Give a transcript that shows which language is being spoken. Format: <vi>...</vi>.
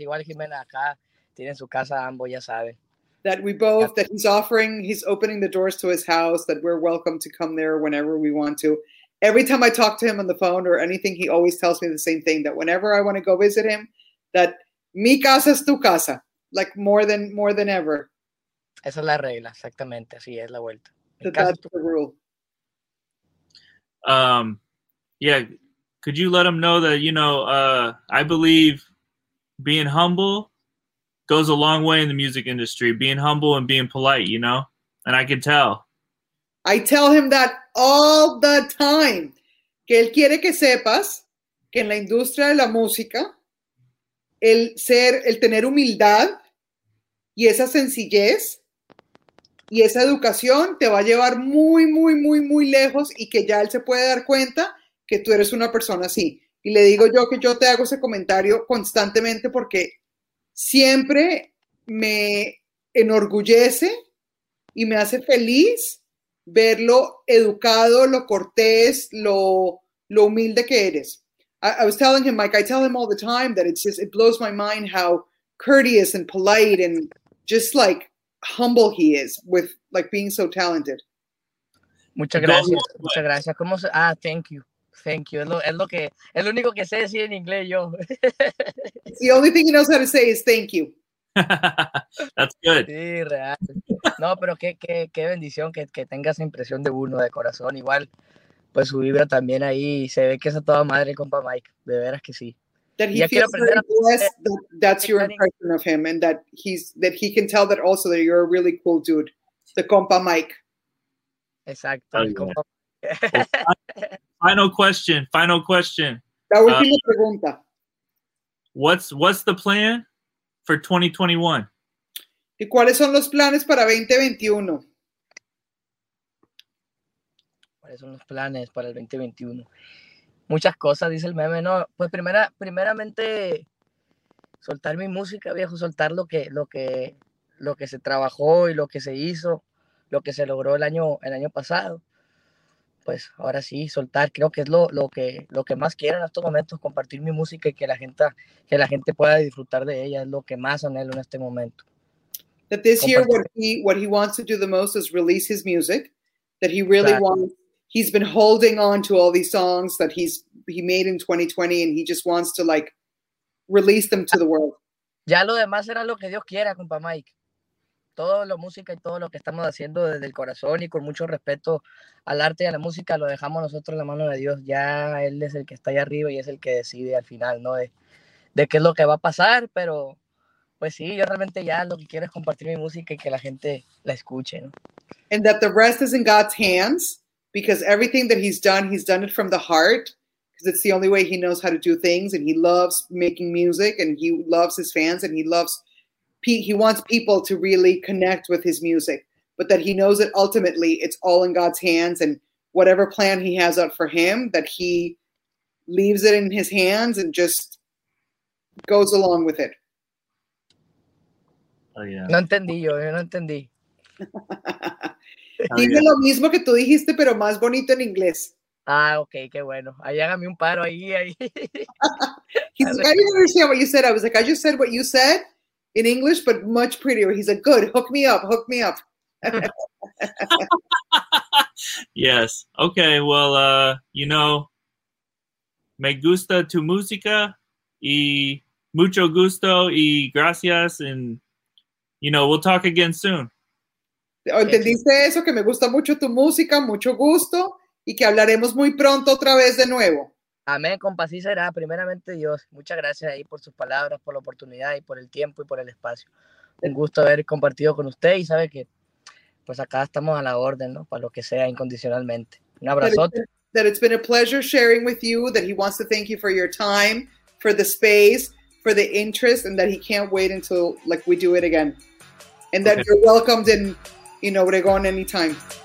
<es>Igual Jimena acá tiene su casa, ambos ya saben.</es> <en>That we both, yeah. That he's opening the doors to his house, that we're welcome to come there whenever we want to. Every time I talk to him on the phone or anything, he always tells me the same thing, that whenever I want to go visit him, that</en> <es>mi casa es tu casa,</es> <en>like more than ever.</en> <es>Esa es la regla, exactamente, así es la vuelta.</es> <en>That's the rule. Yeah, could you let him know that, you know, I believe being humble goes a long way in the music industry, being humble and being polite, you know? And I can tell. I tell him that all the time.</en> <es>Que él quiere que sepas que en la industria de la música, el tener humildad y esa sencillez y esa educación te va a llevar muy, muy, muy, muy lejos, y que ya él se puede dar cuenta que tú eres una persona así. Y le digo yo que yo te hago ese comentario constantemente porque siempre me enorgullece y me hace feliz ver lo educado, lo cortés, lo humilde que eres.</es> <en>I was telling him, Mike, I tell him all the time that it's just, it blows my mind how courteous and polite and just like humble he is with like being so talented.</en> <es>Muchas gracias. ¿Cómo se?</es> <en>Thank you.</en> <es>Es lo único que sé decir en inglés yo.</es> <en>It's the only thing he knows how to say is thank you. That's good.</en> <es>Sí, real. No, pero qué bendición que tengas impresión de uno de corazón. Igual, pues su vibra también ahí. Se ve que es a toda madre el compa Mike. De veras que sí.</es> <en>That he feels very blessed that that's your impression of him, and that he's that he can tell that also that you're a really cool dude, the compa Mike.</en> <es>Exacto.</es> <en>Oh, yeah. Compa. Final question. That would be</en> <es>la pregunta.</es> <en>What's the plan for 2021?</en> <es>¿Y cuáles son los planes para 2021? ¿Cuáles son los planes para el 2021? Muchas cosas, dice el meme, ¿no? Pues primeramente soltar mi música, viejo, soltar lo que se trabajó y lo que se hizo, lo que se logró el año pasado. Pues ahora sí, soltar, creo que es lo que más quiero en estos momentos, compartir mi música y que la gente pueda disfrutar de ella, es lo que más anhelo en este momento.</es> <en>That this</en> <es>compartir.</es> <en>Year what he wants to do the most is release his music, that he really</en> <es>claro.</es> <en>wants. He's been holding on to all these songs that he made in 2020, and he just wants to like release them to the world.</en> <es>Ya lo demás será lo que Dios quiera, compa Mike. Todo lo música y todo lo que estamos haciendo desde el corazón y con mucho respeto al arte y a la música lo dejamos nosotros en la mano de Dios. Ya él es el que está allá arriba y es el que decide al final, ¿no? De qué es lo que va a pasar, pero pues sí, yo realmente ya lo que quiero es compartir mi música y que la gente la escuche, ¿no?</es> <en>And that the rest is in God's hands. Because everything that he's done it from the heart, because it's the only way he knows how to do things, and he loves making music, and he loves his fans, and he wants people to really connect with his music, but that he knows that ultimately it's all in God's hands, and whatever plan he has out for him, that he leaves it in his hands and just goes along with it. Oh, yeah.</en> <es>No entendí yo, no entendí. Dime lo mismo que tú dijiste, pero más bonito en inglés. Ah, okay, qué bueno. Ahí hágame un paro ahí.</es> <en>He's like, I didn't understand what you said. I was like, I just said what you said in English, but much prettier. He's like, good, hook me up. Yes. Okay, well, you know,</en> <es>me gusta tu música y mucho gusto y gracias.</es> <en>And, you know, we'll talk again soon.</en> <es>¿Entendiste eso? Que me gusta mucho tu música, mucho gusto, y que hablaremos muy pronto otra vez de nuevo. Amén, compa, así será. Primeramente Dios, muchas gracias ahí por sus palabras, por la oportunidad y por el tiempo y por el espacio. Un gusto haber compartido con usted y sabe que pues acá estamos a la orden, ¿no? Para lo que sea, incondicionalmente. Un abrazote.</es> <en>That it's been a pleasure sharing with you, that he wants to thank you for your time, for the space, for the interest, and that he can't wait until like we do it again. And that you're welcomed in Obregón anytime.</en>